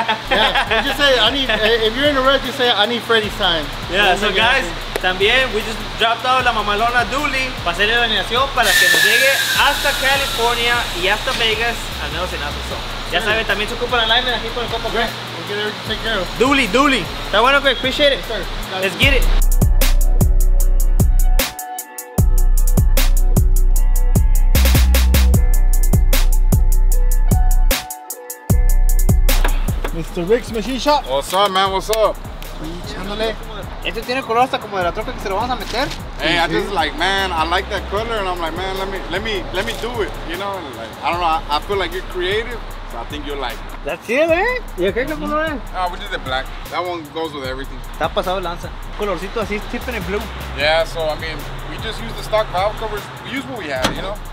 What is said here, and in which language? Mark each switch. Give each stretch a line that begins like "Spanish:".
English: Yeah, you just say, I need, if you're in a rush, you say, I need Freddy's time. Yeah, so guys,
Spanish: también,
English: we just dropped out
Spanish: la mamalona Dooley para hacer la alineación para que nos llegue hasta California y hasta Vegas al mero cenazo. So, ya sabes, también se ocupan alignment aquí con el compa Greg.
English: We'll get everything taken care of.
Spanish: Dooley. Está bueno, Greg,
English: appreciate it. Yes, sir. Let's get it. Mr. Rick's Machine Shop. What's up, man? What's up?
Spanish: Echándole. Este tiene color hasta como de la troca que se lo vamos a meter.
English: Hey, I just like, man, I like that color, and I'm like, man, let me do it. You know, like, I don't know. I feel like you're creative, so I think you'll like it. That's it, eh?
Spanish: ¿Y qué color es?
English: We did the black. That one goes with everything.
Spanish: Está pasado lanza. Colorcito así,
English: tipping in blue. Yeah, so I mean, we just use the stock valve covers. We use what we have, you know.